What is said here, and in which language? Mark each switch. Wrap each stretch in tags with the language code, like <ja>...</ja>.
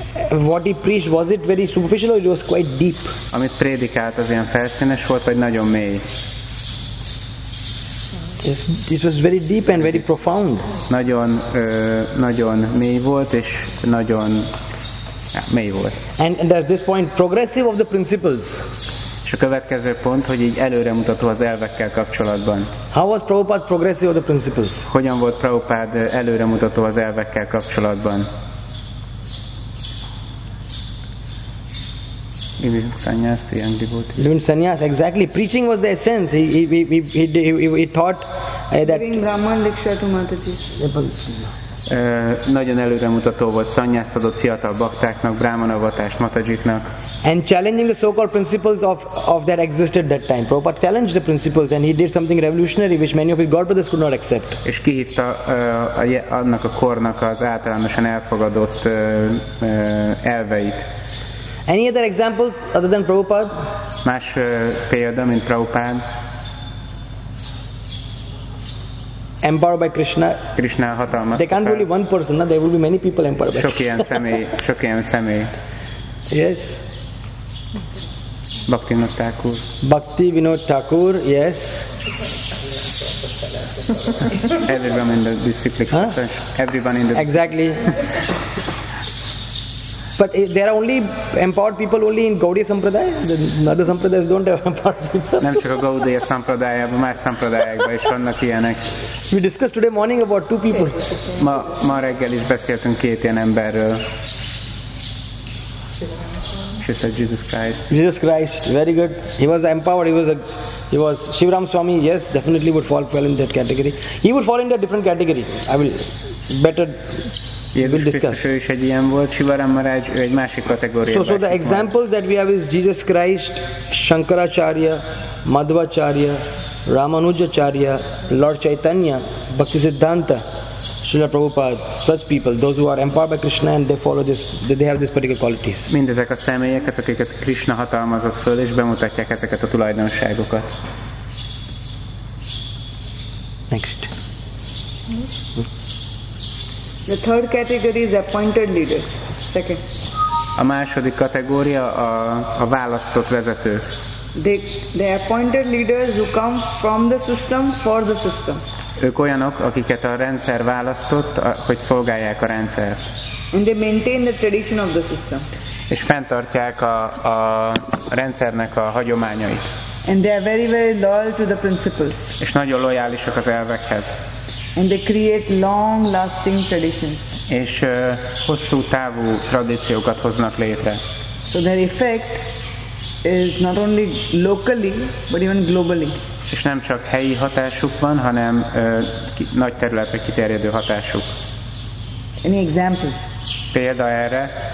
<en>What he preached, was it very superficial or it was quite deep?</en> <hu>Amit prédikált, az ilyen felszínes volt, vagy nagyon mély?</hu> <en>It was very deep and very profound.</en> <hu>Nagyon nagyon mély volt és nagyon mély volt.</hu> <en>And at this point, progressive of the principles.</en> <hu>És a következő pont, hogy így előre mutató az elvekkel kapcsolatban.</hu> <en>How was Prabhupada progressive of the principles?</en> <hu>Hogyan volt Prabhupada előre mutató az elvekkel kapcsolatban?</hu> <en>Even sannyas to young devotees. Even sannyas, exactly. Preaching was the essence. He taught that. Giving Brahman diksha to Mataji.</en> <hu>Nagyon előremutató volt, szanyászt adott fiatal baktáknak, brámana avatást Matajiknak.</hu> <en>And challenging the so-called principles of that existed that time. Prabhupada challenged the principles and he did something revolutionary which many of his godbrothers could not accept.</en> <hu>És kihívta annak a kornak az általánosan elfogadott elveit.</hu> <en>Any other examples other than Prabhupada?</en> <hu>Más példa, mint Prabhupada.</hu> <en>Empowered by Krishna.</en> <hu>Krishna hatalmasztja.</hu> <en>They can't really one person, na? There will be many people empowered by.</en> <hu>Sok ilyen személy, sok ilyen személy.</hu> <en>Yes. Bhakti Vinod Thakur. Bhakti Vinod Thakur, yes. Everyone in the disciple succession. Huh? Everyone in the. Exactly. But there are only empowered people only in Gaudiya Sampradaya. The other Sampradayas don't have empowered people.</en> <hu>Nem csak a Gaudiya Sampradaya,</hu> <en>but</en> <hu>más Sampradayakban is vannak ilyenek.</hu> <en>We discussed today morning about two people.</en> <hu>Ma reggel is beszéltünk két ilyen emberről.</hu> <en>She said Jesus Christ. Jesus Christ, very good. He was empowered. He was Shivaram Swami. Yes, definitely would fall well in that category. He would fall in a different category. I will better.</en> <hu>Jézus Krisztus, ő is egy ilyen volt, Sivaram Maharaj, ő egy másik kategóriában.</hu> <en>So the examples that we have is Jesus Christ, Shankaracharya, Madhvacharya, Ramanujacharya, Lord Chaitanya, Bhaktisiddhanta, Srila Prabhupada, such people, those who are empowered by Krishna and they follow this, they have these particular qualities.</en> <hu>Mindezek a személyeket, akiket Krishna hatalmazott föl és bemutatják ezeket a tulajdonságokat.</hu> <en>Next. The third category is appointed leaders. Second.</en> <hu>A második kategória a választott vezetők.</hu> <en>The appointed leaders who come from the system for the system.</en> <hu>Ők olyanok, akiket a rendszer választott, hogy szolgálják a rendszert.</hu> <en>And they maintain the tradition of the system.</en> <hu>És fenntartják a rendszernek a hagyományait.</hu> <en>And they are very very loyal to the principles.</en> <hu>És nagyon lojálisak az elvekhez.</hu> <en>And they create long-lasting traditions.</en> <hu>És hosszú távú tradíciókat hoznak létre.</hu> <en>So their effect is not only locally, but even globally.</en> <hu>És nem csak helyi hatásuk van, hanem nagy területre kiterjedő hatásuk.</hu> <en>Any examples?</en> <hu>Példa erre.</hu>